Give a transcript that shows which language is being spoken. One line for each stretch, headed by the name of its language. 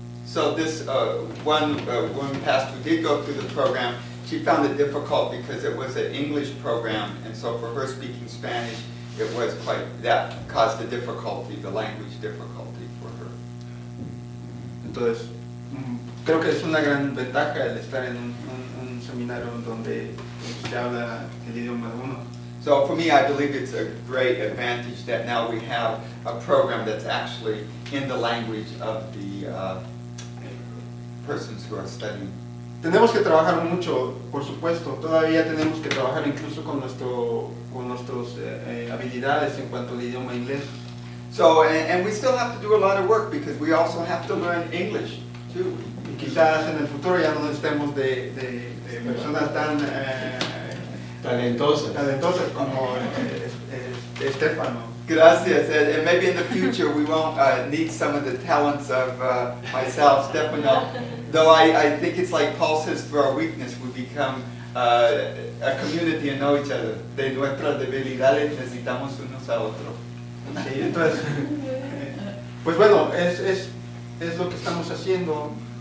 English: So this one pastor did go through the program. She found it difficult because it was an English program, and so for her speaking Spanish, it was quite, that caused the difficulty, the language difficulty for her.
Spanish: Entonces, creo que es una gran ventaja el estar en un seminario donde se habla el idioma uno.
English: So for me, I believe it's a great advantage that now we have a program that's actually in the language of the persons who are studying.
Spanish: Tenemos que trabajar mucho, por supuesto. Todavía tenemos que trabajar incluso con nuestros habilidades en cuanto al idioma inglés.
English: So, and we still have to do a lot of work because we also have to learn English too.
Spanish: Y quizás en el futuro ya no estemos de personas tan talentosas como Estefano. Gracias.
English: And maybe in the future we won't need some of the talents of myself, Stefano. Though I think it's like Paul says, through our weakness we become a community and know each other.
Spanish: De nuestras debilidades necesitamos unos a otros. Sí, entonces, pues bueno, es lo que estamos haciendo.